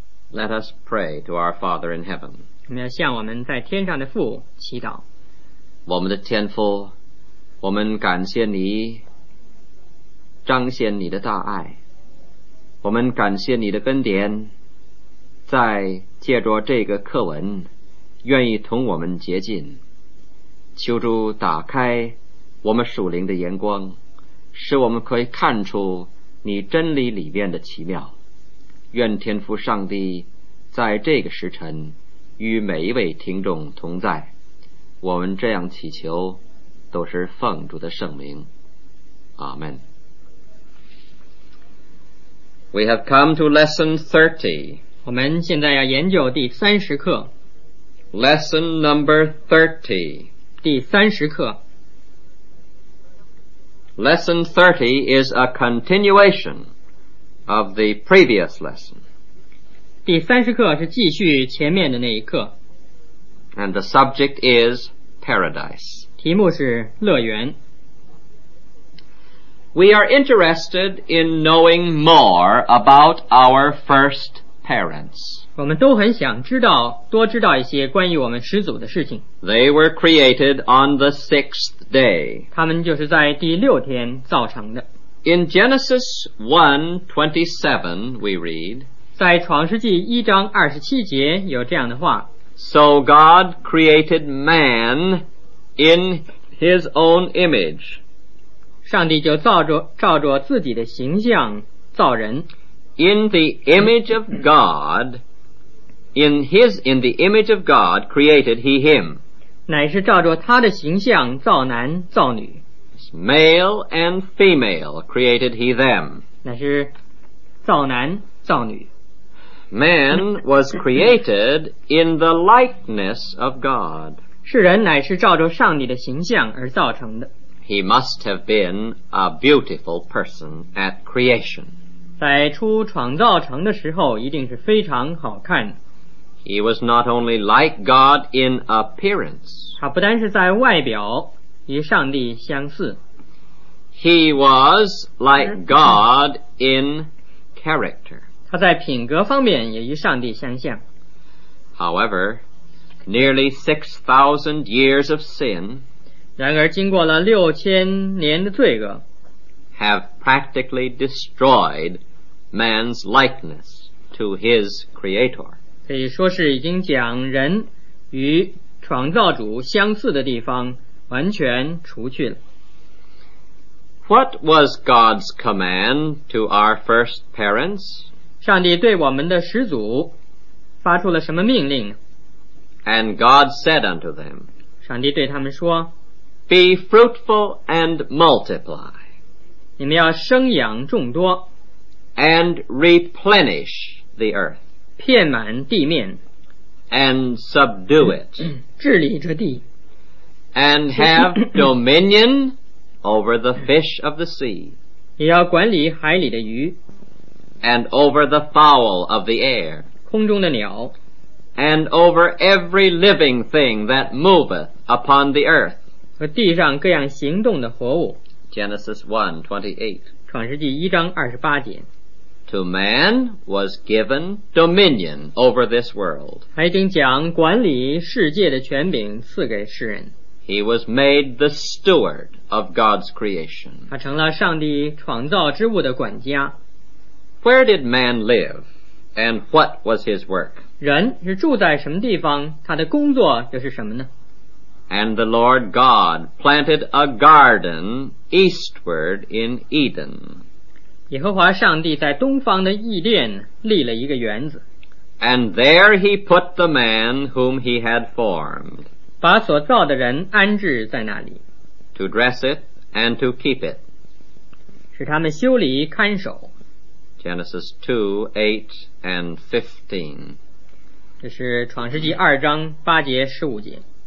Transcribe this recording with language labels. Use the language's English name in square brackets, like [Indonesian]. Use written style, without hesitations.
[English] Let us pray to our Father in heaven. [Chinese] 我们要向我们在天上的父祈祷。我们的天父，我们感谢你彰显你的大爱，我们感谢你的恩典，在借着这个课文愿意同我们接近。求主打开我们属灵的眼光，使我们可以看出你真理里面的奇妙。愿天父上帝在这个时辰与每一位听众同在，我们这样祈求都是奉主的圣名，阿们。 [English] We have come to lesson 30. [Chinese] 我们现在要研究第三十课。 [English] Lesson number 30. [Chinese] 第三十课。 [English] Lesson 30 is a continuation of the previous lesson. [Chinese] 第三十课是继续前面的那一课。 [English] And the subject is Paradise. [Chinese] 题目是乐园。 [English] We are interested in knowing more about our first parents. [Chinese] 我们都很想知道，多知道一些关于我们始祖的事情。 [English] They were created on the sixth day. [Chinese] 他们就是在第六天造成的。 [English] In Genesis 1:27, we read, [Chinese] 在创世纪一章二十七节有这样的话。 [English] So God created man in his own image. [Chinese] 上帝就照着自己的形象造人。 [English] In the image of God, in the image of God created he him. [Chinese] 乃是照着他的形象造男造女。 [English] Male and female created he them. [Chinese] 乃是造男造女。 [English] Man was created in the likeness of God. [Chinese] 是人乃是照着上帝的形象而造成的。 [English] He must have been a beautiful person at creation. [Chinese] 在初创造成的时候一定是非常好看。 [English] He was not only like God in appearance. [Chinese] 他不单是在外表与上帝相似。 [English] He was like God in character. [Chinese] 他在品格方面也与上帝相像。 [English] However, nearly 6,000 years of sin, [Chinese] 然而经过了六千年的罪恶， [English] have practically destroyed man's likeness to his creator. [Chinese] 可以说是已经将人与创造主相似的地方完全除去了。 [English] What was God's command to our first parents? [Chinese] 上帝对我们的始祖发出了什么命令？ [English] And God said unto them, [Chinese] 上帝对他们说， [English] Be fruitful and multiply, [Chinese] 你们要生养众多， [English] And replenish the earth, [Chinese] 遍满地面， [English] And subdue it, [Chinese] 治理这地， [English] And have dominion over the fish of the sea, [Chinese] 也要管理海里的鱼， [English] And over the fowl of the air, [Chinese] 空中的鸟， [English] And over every living thing that moveth upon the earth, [Chinese] 和地上各样行动的活物， [English] Genesis 1:28, [Chinese] 创世纪一章二十八节。 [English] To man was given dominion over this world, [Chinese] 他已经将管理世界的权柄赐给世人。 [English] He was made the steward of God's creation. [Chinese] 他成了上帝创造之物的管家。 [English] Where did man live, and what was his work? [Chinese] 人是住在什么地方，他的工作又是什么呢？ [English] And the Lord God planted a garden eastward in Eden. [Chinese] 耶和华上帝在东方的伊甸立了一个园子。 [English] And there he put the man whom he had formed. [Chinese] 把所造的人安置在那里。 [English] To dress it and to keep it. [Chinese] 使他们修理看守。 [English] Genesis 2:8-15. [Chinese] 这是创世纪二章八节十五节。